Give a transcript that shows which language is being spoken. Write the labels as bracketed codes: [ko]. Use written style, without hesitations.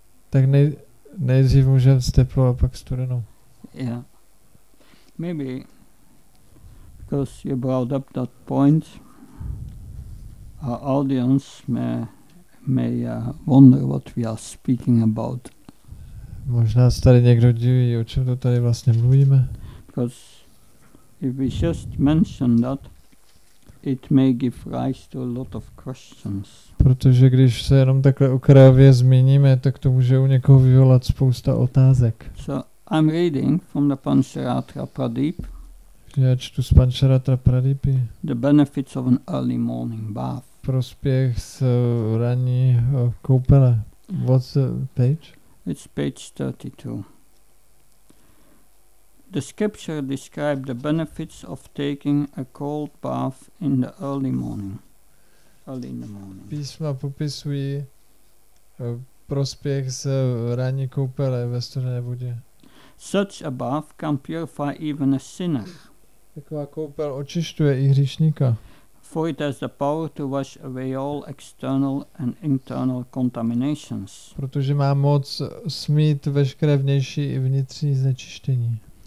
[cs] Tak nejdřív můžeme s teplou a pak studenou. [en] Yeah. Maybe because you brought up that point, our audience may wonder what we are speaking about. [cs] Možná se tady někdo diví, o čem to tady vlastně mluvíme. [en] Because if we just mention that, it may give rise to a lot of questions. [cs] Protože když se jenom takhle okrajově zmíníme, tak to může u někoho vyvolat spousta otázek. [en] So I'm reading from the Pancharatra Pradip. [cs] Já čtu z Pancharatra Pradipy. [en] The benefits of an early morning bath. [cs] Prospěch z ranní koupele. [en] What's the page? It's page 32. The scripture described the benefits of taking a cold bath in the early morning. Early in the morning. [cs] Písma popisují prospěch z ranní koupele ve studené vodě. [en] Such a bath can purify even a sinner. [cs] Taková koupel očišťuje i hříšníka. [en] For it has the power to wash away all external and internal contaminations. [cs] Protože má moc smýt veškeré vnější i vnitřní znečištění.